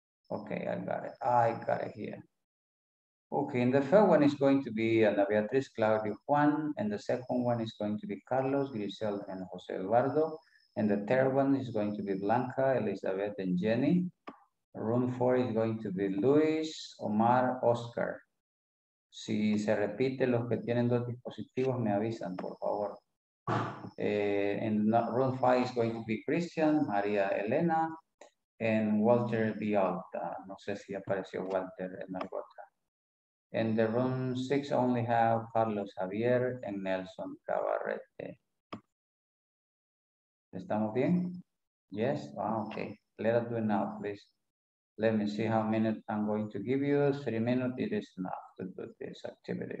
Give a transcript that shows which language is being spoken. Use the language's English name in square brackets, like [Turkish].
[English] Okay, I got it here. Okay, and the third one is going to be Ana Beatriz, Claudio, Juan, and the second one is going to be Carlos, Grisel, and Jose Eduardo, and the third one is going to be Blanca, Elizabeth, and Jenny. Room four is going to be Luis, Omar, Oscar. [Spanish] Si se repite, los que tienen dos dispositivos me avisan, por favor. [English] And room five is going to be Christian, Maria, Elena, and Walter Vialta. [Spanish] No sé si apareció Walter en algo otra. [English] In the room six, only have Carlos Javier and Nelson Cabarrete. [Spanish] ¿Estamos bien? [English] Yes? Oh, okay. Let us do it now, please. Let me see how many I'm going to give you. 3 minutes, it is enough to do this activity.